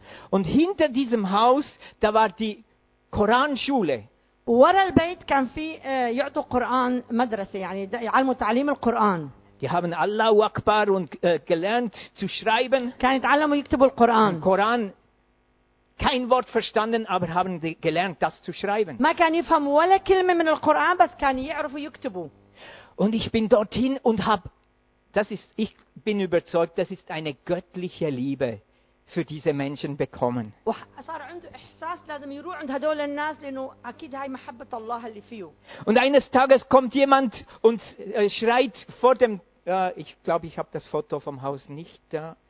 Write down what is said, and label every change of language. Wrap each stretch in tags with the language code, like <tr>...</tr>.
<de>Und hinter diesem Haus, da war die Koranschule. Die haben</de> <ar>Allahu Akbar</ar> <de>und gelernt zu schreiben. Koran. Kein Wort verstanden, aber haben gelernt, das zu schreiben.</de> <ar>ما كان يفهم ولا كلمة من القرآن بس كان يعرف يكتبه.</ar> <de>Und ich bin dorthin und habe, ich bin überzeugt, das ist eine göttliche Liebe für diese Menschen bekommen.</de> <ar>وصار عنده إحساس لازم يروح عند هدول الناس لأنه أكيد هاي محبة الله اللي فيه.</ar> <de>Und eines Tages kommt jemand und schreit vor dem, ich glaube, ich habe das Foto vom Haus nicht da.</de>